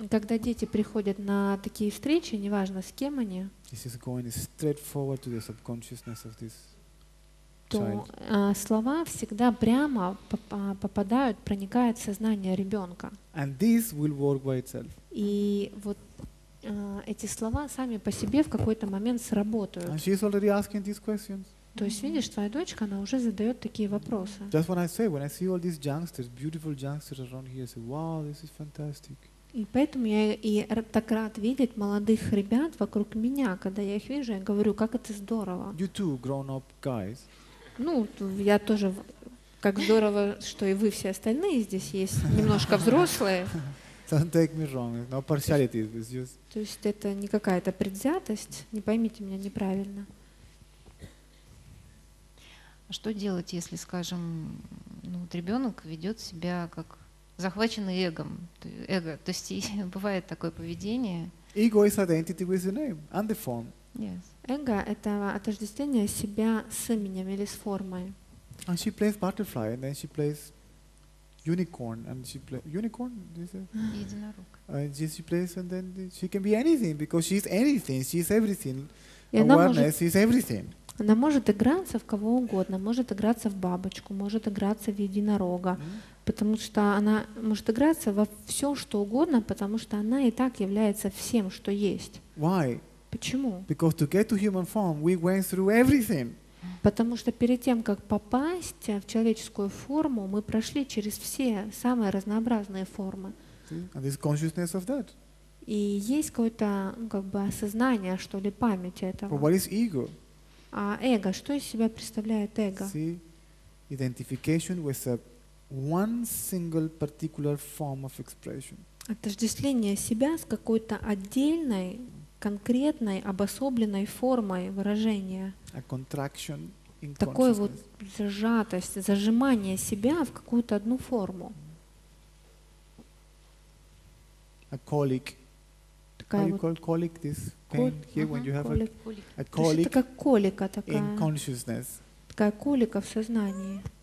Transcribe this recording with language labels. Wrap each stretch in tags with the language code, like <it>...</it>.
<ru>Когда дети приходят на такие встречи, неважно с кем они.</ru> <en>This is going straight forward to the subconsciousness of this child.</en> <ru>То слова всегда прямо попадают, проникают в сознание ребенка.</ru> <en>And this will work by itself.</en> <ru>И вот эти слова сами по себе в какой-то момент сработают.</ru> <en>And she is already asking these questions.</en> <ru>То есть, видишь, твоя дочка, она уже задает такие вопросы.</ru> <en>Just when I say, when I see all these youngsters, beautiful youngsters around here, I say, wow, this is fantastic.</en> <ru>И поэтому я и так рад видеть молодых ребят вокруг меня, когда я их вижу, я говорю, как это здорово.</ru> <en>You too, grown-up guys.</en> <ru>Ну, я тоже, как здорово, что и вы все остальные здесь есть, немножко взрослые.</ru> <en>Don't take me wrong, no partiality, it's just...</en> <ru>То есть это не какая-то предвзятость, не поймите меня неправильно. А что делать, если, скажем, ну, вот ребенок ведет себя как захваченный эгом, эго, то есть бывает такое поведение?</ru> <en>Ego is identity with the name and the form. Yes.</en> <ru>Эго – это отождествление себя с именем или с формой.</ru> <en>And she plays butterfly, and then she plays unicorn, and she plays unicorn.</en> <ru>Единорог.</ru> <en>And she plays, and then she can be anything because she is anything. She is everything. Awareness is everything.</en> <ru>Она может играться в кого угодно, может играться в бабочку, может играться в единорога, mm-hmm. потому что она может играться во все, что угодно, потому что она и так является всем, что есть.</ru> <en>Why?</en> <ru>Почему?</ru> <en>Because to get to human form, we went through everything.</en> <ru>Потому что перед тем, как попасть в человеческую форму, мы прошли через все самые разнообразные формы.</ru> <en>And this consciousness of that.</en> <ru>И есть какое-то, ну, как бы осознание, что ли, память этого.</ru> <en>But what is ego?</en> <ru>А эго, что из себя представляет эго?</ru> <en>See, identification with a one single particular form of expression.</en> <ru>Отождествление себя с какой-то отдельной, конкретной, обособленной формой выражения.</ru> <en>A contraction in</en> <ru>такой consciousness. Вот сжатость, зажимание себя в какую-то одну форму.</ru> <en>A colic. How you call colic this pain here when you have a colic?</en> <ru>Это как колика такая.</ru> <en>In consciousness.</en> <ru>Такая колика в сознании.</ru>